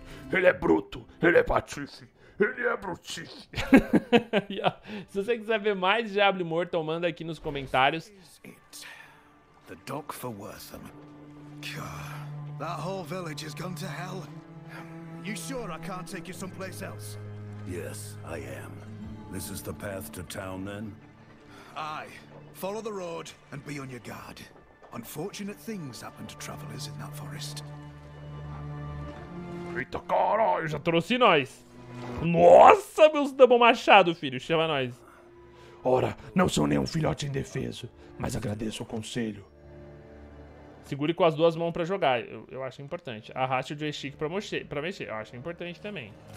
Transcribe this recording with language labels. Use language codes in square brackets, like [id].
[pt] Ele é bruto, ele é patife, ele é brutife. Se você quiser ver mais Diablo Immortal, manda aqui nos comentários. [en] The dock for Wortham. That whole village has gone to hell. You sure I can't take you someplace else? Yes, I am. This is the path to town then? Aye. Follow the road and be on your guard. Unfortunate things happen to travelers in that forest. [pt] Eita caralho, já trouxe nós. Nossa, meus double machado, filho, chama nós. Ora, não sou nenhum filhote indefeso, mas agradeço o conselho. Segure com as duas mãos pra jogar, eu acho importante. Arraste o joystick pra mexer, eu acho importante também.